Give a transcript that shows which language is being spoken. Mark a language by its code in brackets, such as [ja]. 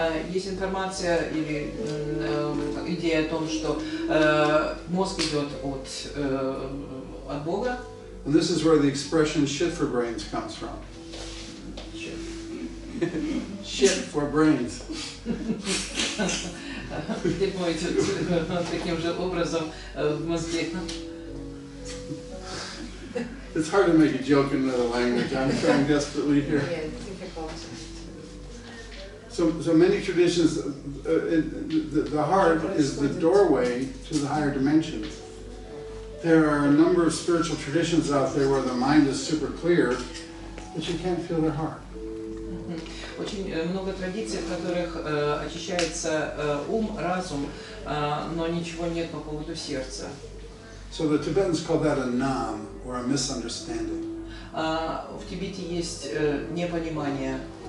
[ru] Есть информация или идея о том, что мозг идет от Бога. [en] And this is where the expression "shit for brains" comes from. Shit for brains. [ru] Где помните таким же образом в мозге? [en] It's hard to make a joke in another language. I'm trying desperately here. Yeah, difficult. So many traditions, the heart is the doorway to the higher dimensions. There are a number of spiritual traditions out there where the mind is super clear, but you can't feel their heart. [ru] Очень много традиций, в которых очищается ум, разум, но ничего нет по поводу сердца. [en] So the Tibetans call that a nam, or a misunderstanding. [ru] В Тибете есть непонимание.